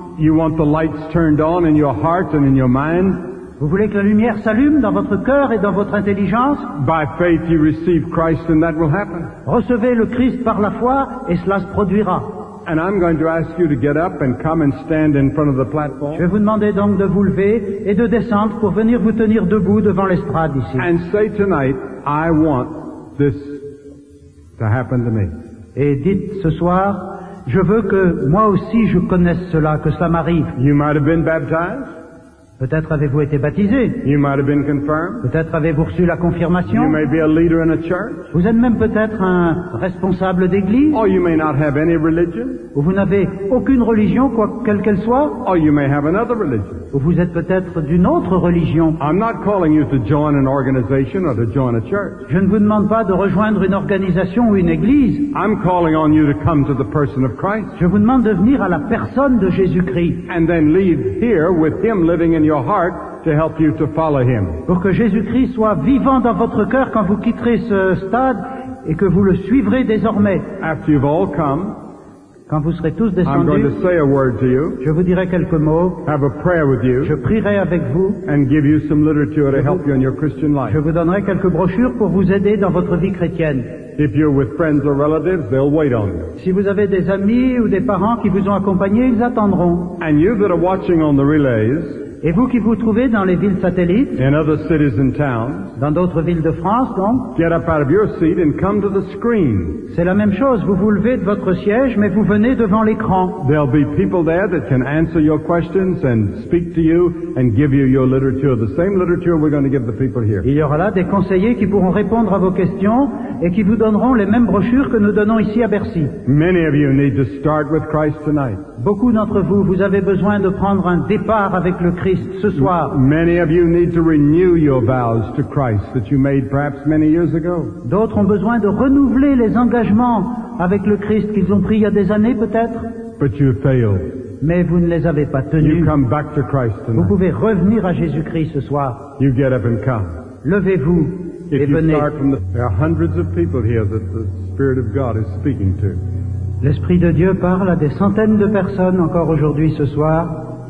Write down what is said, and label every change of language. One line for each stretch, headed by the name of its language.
English: You want the lights turned on in your heart and in your mind.
French: Vous voulez que la lumière s'allume dans votre cœur et dans votre intelligence?
English: By faith you receive Christ and that will happen.
French: Recevez le Christ par la foi et cela se produira.
English: And I'm going to ask you to get up and come and stand in front of the platform.
French: Je vais vous demander donc de vous lever et de descendre pour venir vous tenir debout devant l'estrade ici.
English: And say tonight, I want this to happen to me.
French: Et dites ce soir, je veux que moi aussi je connaisse cela, que cela m'arrive.
English: You might have been baptized.
French: Peut-être avez-vous été baptisé.
English: You might have been confirmed.
French: Peut-être avez-vous reçu la confirmation.
English: You may be a leader in a church.
French: Vous êtes même peut-être un responsable d'église.
English: Or you may not have any religion.
French: Ou vous n'avez aucune religion, quoi, quelle qu'elle soit.
English: Or you may have another religion.
French: Ou vous êtes peut-être d'une autre religion.
English: I'm not calling you to join an organization or to join a church.
French: Je ne vous demande pas de rejoindre une organisation ou une église.
English: I'm calling on you to come to the person of Christ.
French: Je vous demande de venir à la personne de Jésus-Christ.
English: And then leave here with him living in your heart to help you to follow him.
French: Pour que Jésus-Christ soit vivant dans votre cœur quand vous quitterez ce stade et que vous le suivrez désormais.
English: After you've all come,
French: quand vous serez tous descendus,
English: I'm going to say a word to you.
French: Je vous dirai quelques mots.
English: Have a prayer with you.
French: Je prierai avec vous.
English: And give you some literature to help you in your Christian life.
French: Je vous donnerai quelques brochures pour vous aider dans votre vie chrétienne.
English: If you're with friends or relatives, they'll wait on you.
French: Si vous avez des amis ou des parents qui vous ont accompagné, ils attendront.
English: And you that are watching on the relays,
French: et vous qui vous trouvez dans les villes satellites,
English: in other cities and towns,
French: dans d'autres villes de France, donc,
English: get up out of your seat and come to the screen.
French: C'est la même chose. Vous vous levez de votre siège, mais vous venez devant l'écran.
English: There'll be people there that can answer your questions and speak to you and give you your literature, the same literature we're going to give the people here.
French: Il y aura là des conseillers qui pourront répondre à vos questions et qui vous donneront les mêmes brochures que nous donnons ici à Bercy.
English: Many of you need to start with Christ tonight.
French: Beaucoup d'entre vous, vous avez besoin de prendre un départ avec le Christ.
English: Many of you need to renew your vows to Christ that you made perhaps many years ago.
French: D'autres ont besoin de renouveler les engagements avec le Christ qu'ils ont pris il y a des années peut-être.
English: But you failed.
French: Mais vous ne les avez pas tenus.
English: You come back to Christ tonight.
French: Vous pouvez revenir à Jésus-Christ ce soir.
English: You get up and come.
French: Levez-vous
English: if
French: et venez.
English: Start from the, there are hundreds of people here that the Spirit of God is speaking to.
French: L'Esprit de Dieu parle à des centaines de personnes encore aujourd'hui ce soir.